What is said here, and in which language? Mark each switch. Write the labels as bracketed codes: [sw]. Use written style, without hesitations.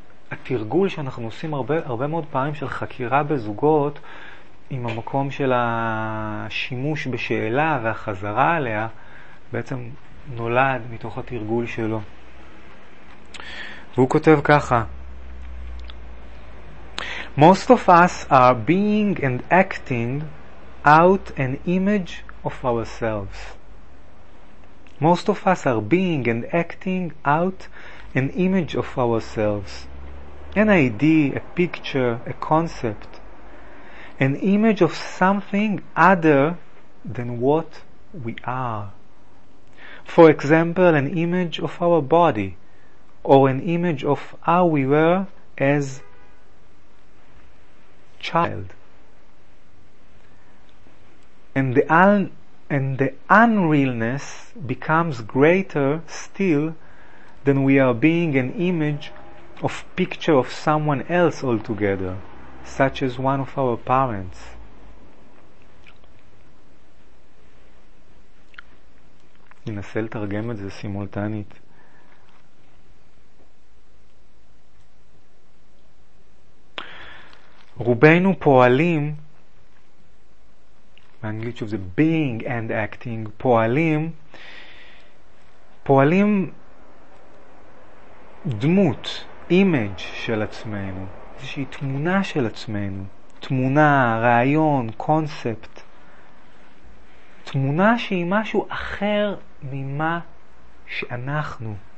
[he] התרגול שאנחנו עושים הרבה מאוד פעמים של חקירה בזוגות, עם המקום של השימוש בשאלה והחזרה עליה, בעצם נולד מתוך התרגול שלו. והוא כותב ככה: [en] Most of us are being and acting out an image of ourselves. Most of us are being and acting out an image of ourselves. An idea, a picture, a concept. An image of something other than what we are. For example, an image of our body, or an image of how we were as child. And the unrealness becomes greater still than we are being an image of picture of someone else altogether, such as one of our parents. [he] ננסה לתרגם את זה סימולטנית. רובנו פועלים, באנגלית שוב זה [en] being and acting, [he] פועלים דמות, image של עצמנו, איזושהי תמונה של עצמנו, תמונה, רעיון, קונספט, תמונה שהיא משהו אחר ממה שאנחנו.